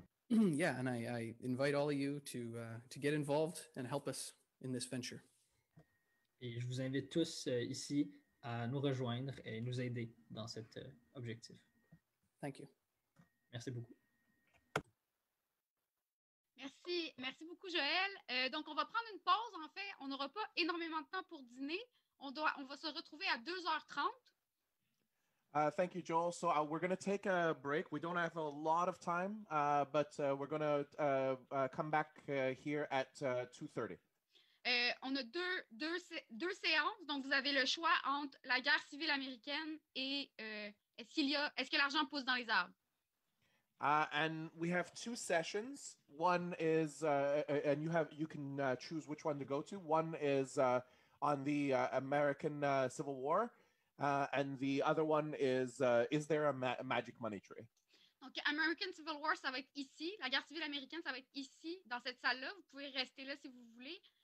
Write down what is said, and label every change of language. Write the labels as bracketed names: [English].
[English] Yeah, and I invite all of you to get involved and help us in this venture. [French] Et je vous invite tous ici à nous rejoindre et nous aider dans cet objectif. [English] Thank you. [French] Merci beaucoup. Merci. Merci beaucoup, Joël. Donc, on va prendre une pause, en fait. On n'aura pas énormément de temps pour dîner. On va se retrouver à 2h30. [English] Thank you, Joel. So, we're going to take a break. We don't have a lot of time, but we're going to come back here at 2:30. [French] On a deux séances, donc vous avez le choix entre la guerre civile américaine et est-ce que l'argent pousse dans les arbres? [English] And we have two sessions. One is and you can choose which one to go to. One is on the American Civil War, and the other one is there a magic money tree? [French] Donc [English] American Civil War, [French] ça va être ici. La guerre civile américaine, ça va être ici dans cette salle-là. Vous pouvez rester là si vous voulez.